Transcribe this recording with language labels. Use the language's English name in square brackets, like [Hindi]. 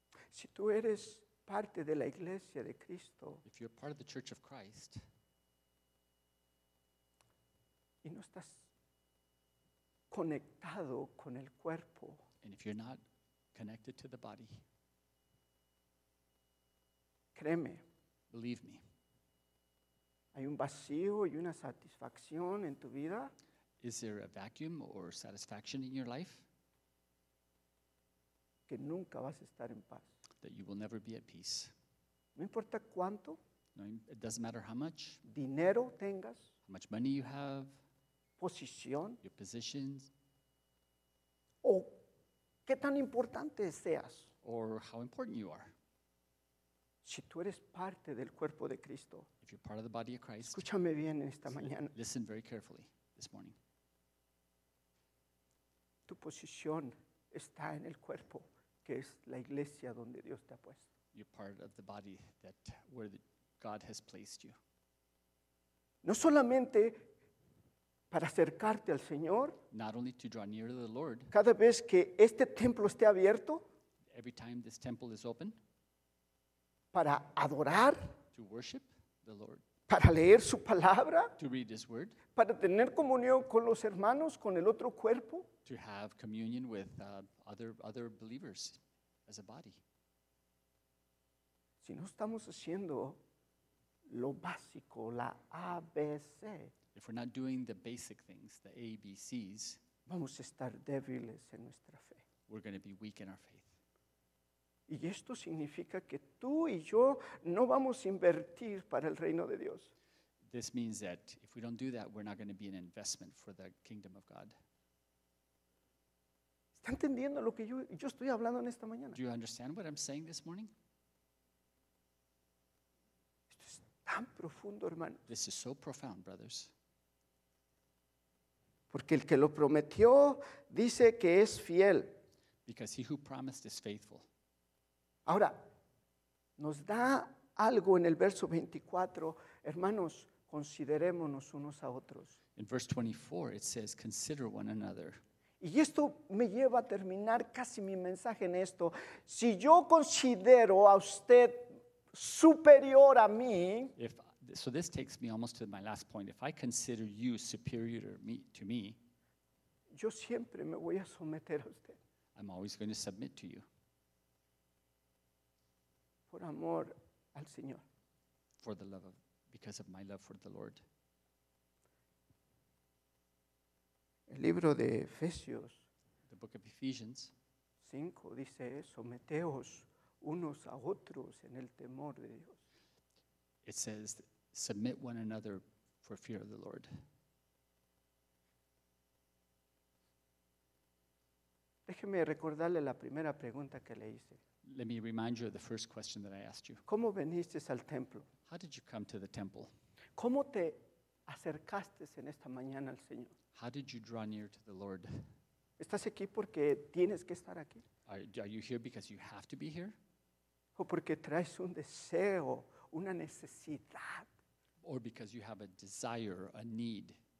[Spanish] Si tú eres parte de la iglesia de Cristo, [English] if you're part of the Church of Christ, [Spanish] y no estás conectado con el cuerpo, [English] and if you're not connected to the body, [Spanish] créeme, [English] believe me. [Spanish] ¿Hay un vacío y una satisfacción en tu vida? [English] Is there a vacuum or satisfaction in your life? [Spanish] Que nunca vas a estar en paz. [English] That you will never be at peace. [Spanish] No importa cuánto. [English] No, it doesn't matter how much. [Spanish] Dinero tengas. [English] How much money you have. [Spanish] Posición. [English] Your positions. [Spanish] O qué tan importante seas. [English] Or how important you are. [Spanish] Si tú eres parte del cuerpo de Cristo, [English] if you're part of the body of Christ, [Spanish] escúchame bien esta mañana. [English] Listen very carefully this morning. [Spanish] Tu posición está en el cuerpo, que es la iglesia donde Dios te ha puesto. [English] You're part of the body that where the God has placed you. [Spanish] No solamente para acercarte al Señor, [English] not only to draw near to the Lord, [Spanish] cada vez que este templo esté abierto, [English] every time this temple is open, [Spanish] para adorar, [English] to worship the Lord, [Spanish] para leer su palabra, [English] to read his word, [Spanish] para tener comunión con los hermanos, con el otro cuerpo, [English] to have communion with other believers as a body. [Spanish] Si no estamos haciendo lo básico, la ABC, [English] if we're not doing the basic things, the ABCs, [Spanish] vamos a estar débiles en nuestra fe. [English] We're going to be weak in our faith. [Spanish] Y esto significa que tú y yo no vamos a invertir para el reino de Dios. [English] This means that if we don't do that, we're not going to be an investment for the kingdom of God. [Spanish] ¿Está entendiendo lo que yo estoy hablando en esta mañana? [English] Do you understand what I'm saying this morning? [Spanish] Esto es tan profundo, hermano. [English] This is so profound, brothers. [Spanish] Porque el que lo prometió dice que es fiel. [English] Because he who promised is faithful. [Spanish] Ahora, nos da algo en el verso 24. Hermanos, considerémonos unos a otros. [English] In verse 24, it says, consider one another. [Spanish] Y esto me lleva a terminar casi mi mensaje en esto. Si yo considero a usted superior a mí. [English] So this takes me almost to my last point. If I consider you superior to me, [Spanish] yo siempre me voy a someter a usted. [English] I'm always going to submit to you. [Spanish] Por amor al Señor. [English] For the love of, because of my love for the Lord. [Spanish] El libro de Efesios, [English] the book of Ephesians [Spanish] 5 dice, someteos unos a otros en el temor de Dios. [English] It says, submit one another for fear of the Lord. [Spanish] Déjeme recordarle la primera pregunta que le hice. [English] Let me remind you of the first question that I asked you. [Spanish] ¿Cómo veniste al templo? [English] How did you come to the temple? [Spanish] ¿Cómo te acercaste en esta mañana al Señor? [English] How did you draw near to the Lord? [Spanish] ¿Estás aquí porque tienes que estar aquí? [English] Are you here because you have to be here? [Spanish] ¿O porque traes un deseo, una necesidad? [English] Or because you have a desire, a need?